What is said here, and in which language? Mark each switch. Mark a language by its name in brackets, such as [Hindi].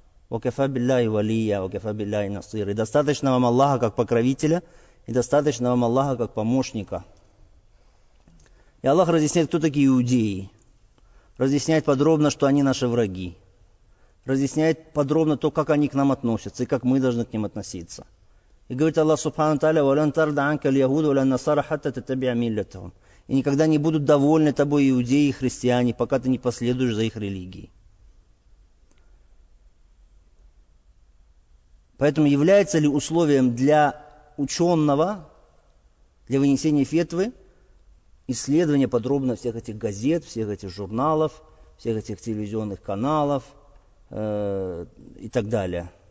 [Arabic] وَكَفَى بِاللَّهِ وَلِيَّا وَكَفَى بِاللَّهِ نَصِيرًا. [Russian] И достаточно вам Аллаха как покровителя, и достаточно вам Аллаха как помощника. И Аллах разъясняет, кто такие иудеи. Разъясняет подробно, что они наши враги. Разъясняет подробно то, как они к нам относятся, и как мы должны к ним относиться. И говорит Аллах Субхану Тааля, [Arabic] وَلَنْ تَرْضَ عَنْكَ الْيَهُودُ وَلَنْ نَصَارَ حَتَّى تَتَّبِعَ مِلَّتَهُمْ. [Russian] И никогда не будут довольны тобой иудеи и христиане, пока ты не последуешь за их религией. Поэтому является ли условием для ученого, для вынесения фетвы, исследование подробно всех этих газет, всех этих журналов, всех этих телевизионных каналов и так далее.